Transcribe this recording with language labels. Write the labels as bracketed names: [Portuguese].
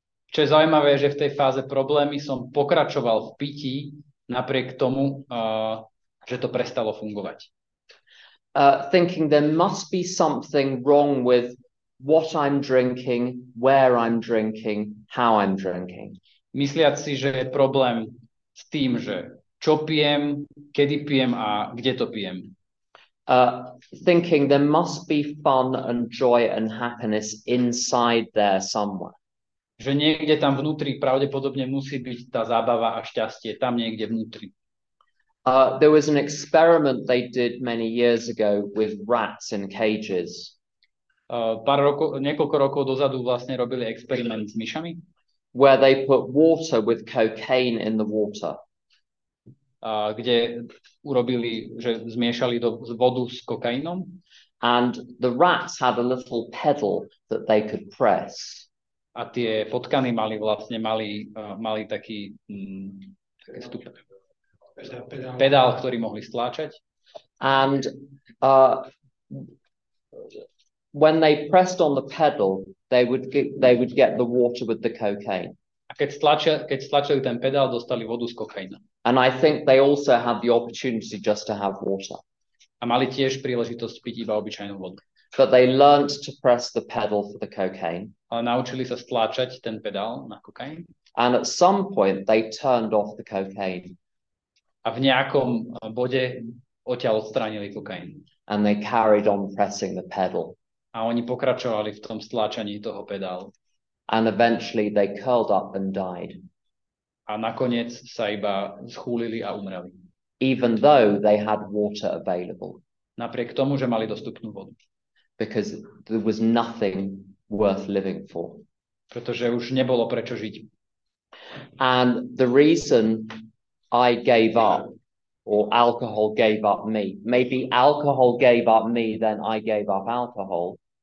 [Slovak] Čo je zaujímavé, že v tej fáze problémy som pokračoval v pití napriek tomu, že to prestalo fungovať. [English] Thinking there must be something wrong with what I'm drinking, where I'm drinking, how I'm drinking. [Slovak] Mysliať si, že je problém s tým, že čo pijem, kedy pijem a kde to pijem. [English] Thinking there must be fun and joy and happiness inside there somewhere. [Slovak] Že niekde tam vnútri pravdepodobne musí byť tá zábava a šťastie, tam niekde vnútri. [English] There was an experiment they did many years ago with rats in cages. [Slovak] Niekoľko rokov dozadu vlastne robili experiment s myšami. [English] Where they put water with cocaine in the water. [Slovak] Kde urobili, že zmiešali vodu s kokainom. [English] And the rats had a little pedal that they could press. [Slovak] A tie potkany mali vlastne mali taký taký stup. Pedál, ktorý mohli stláčať. [English] And when they pressed on the pedal, they would get the water with the cocaine. [Slovak] A keď stlačili ten pedál, dostali vodu s kokainom. [English] And I think they also had the opportunity just to have water. [Slovak] A mali tiež príležitosť piť iba obyčajnú vodu. [English] But they learned to press the pedal for the cocaine. [Slovak] A naučili sa stlačať ten pedál na kokain. [English] And at some point they turned off the cocaine. [Slovak] A v nejakom bode odtiaľ odstránili kokain. [English] And they carried on pressing the pedal. [Slovak] A oni pokračovali v tom stlačaní toho pedálu. [English] And eventually they curled up and died. [Slovak] A nakoniec sa iba schúlili a umreli. [English] Even though they had water available. [Slovak] Napriek tomu, že mali dostupnú vodu. [English] Because there was nothing worth living for. [Slovak] Pretože už nebolo prečo žiť. [English] And the reason I gave up, or alcohol gave up me, maybe alcohol gave up me, then I gave up alcohol.